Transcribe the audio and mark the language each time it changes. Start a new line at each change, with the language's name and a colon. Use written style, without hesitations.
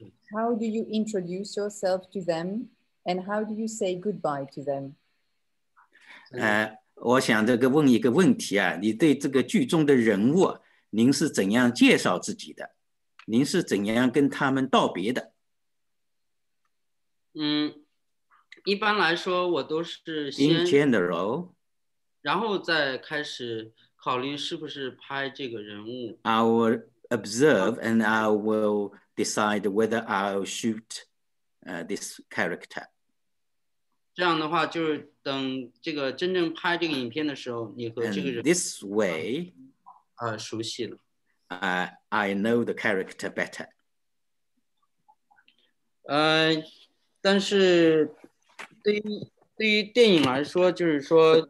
English: How do you introduce yourself to them, and how do you say goodbye to them?
Chinese: 我想这个问一个问题啊，你对这个剧中的人物，您是怎样介绍自己的？您是怎样跟他们道别的？一般来说，我都是先
English: in general，
Chinese: 然后再开始考虑是不是拍这个人物。
English: Observe, and I will decide whether I'll shoot this character.
Chinese: 这样的话，就是等这个真正拍这个影片的时候，你和这个人
English: and this way,
Chinese: 熟悉了。
English: I know the character better.
Chinese: 但是对于电影来说，就是说